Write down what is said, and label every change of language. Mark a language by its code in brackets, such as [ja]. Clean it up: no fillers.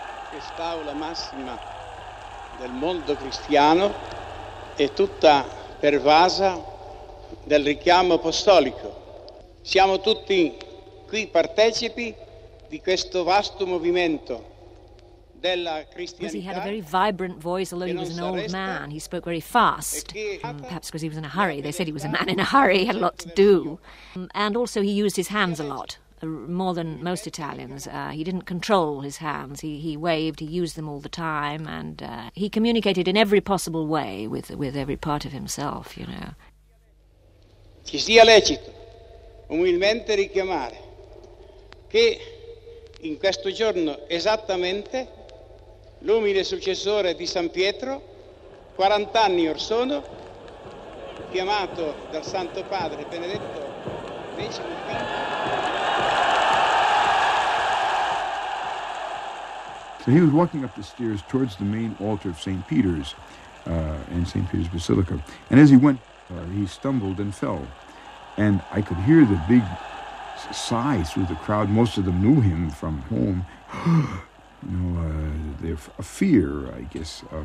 [it] Quest'aula massima del mondo cristiano è tutta pervasa del richiamo apostolico. Siamo tutti qui partecipi di questo vasto movimento della cristianità. [en] Because he had a very vibrant voice, although he was an old man. He spoke very fast, perhaps because he was in a hurry. They said he was a man in a hurry, had a lot to do. And also he used his hands a lot. More than most Italians. He didn't control his hands. He waved, he used them all the time, and he communicated in every possible way with every part of himself, you know. [it] Ci sia lecito umilmente richiamare che in questo giorno esattamente l'umile successore di San Pietro, 40 anni or sono, chiamato dal Santo Padre Benedetto XV. [en] So he was walking up the stairs towards the main altar of St. Peter's and St. Peter's Basilica. And as he went, he stumbled and fell. And I could hear the big sigh through the crowd. Most of them knew him from home. You know, they're a fear, I guess.